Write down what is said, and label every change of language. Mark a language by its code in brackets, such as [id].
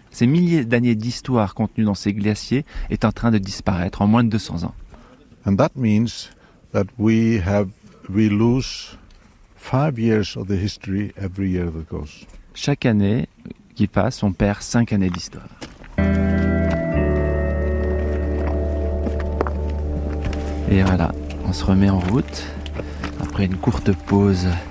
[fr] Ces milliers d'années d'histoire contenues dans ces glaciers est en train de disparaître en moins de 200 ans. [en] And that means that we lose 5 years of the history every year that goes. [fr] Chaque année qui passe, on perd 5 années d'histoire. Et voilà, on se remet en route après une courte pause